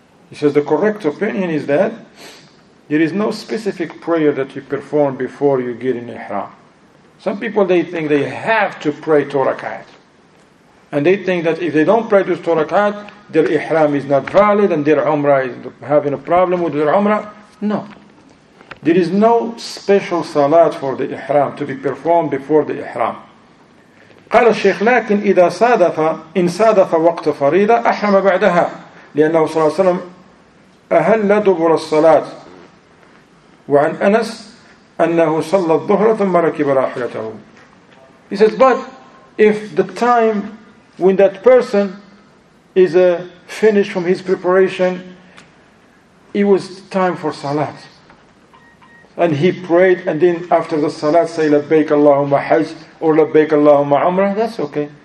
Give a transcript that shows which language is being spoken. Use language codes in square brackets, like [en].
[en] He says the correct opinion is that there is no specific prayer that you perform before you get in ihram. Some people, they think they have to pray torakat. And they think that if they don't pray this torakat, their ihram is not valid and their umrah is having a problem with their umrah. No. There is no special salat for the ihram to be performed before the ihram. [ar] قال الشيخ لكن إذا صادف إن صادف وقت فريضة أحرم بعدها لأنه صلى الله عليه وسلم أهل دبر الصلاة. وعن أنس أنه صلى الظهر ثم ركب راحلته. [en] He says, but if the time when that person is finished from his preparation, it was time for salat, and he prayed, and then after the salat say [ar] لبيك اللهم حج [en] or [ar] لبيك اللهم عمرة, [en] that's okay.